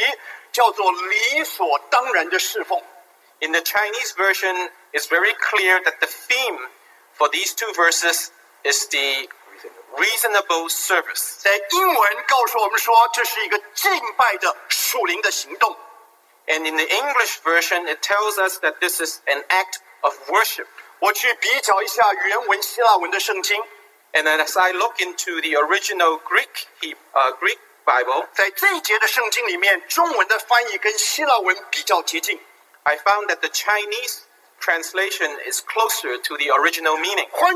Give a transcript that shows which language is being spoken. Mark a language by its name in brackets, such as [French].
[Chinese] 在中文圣经非常清楚告诉我们这两节圣经的主题叫做理所当然的侍奉。 [English] In the Chinese version, it's very clear that the theme for these two verses is the reasonable service. [Chinese] 在英文告诉我们说这是一个敬拜的属灵的行动。 [English] And in the English version, it tells us that this is an act of worship. [Chinese] 我去比较一下原文希腊文的圣经。 [English] And then as I look into the original Greek Bible, [Chinese] 在这一节的圣经里面,中文的翻译跟希腊文比较接近。 [English] I found that the Chinese translation is closer to the original meaning.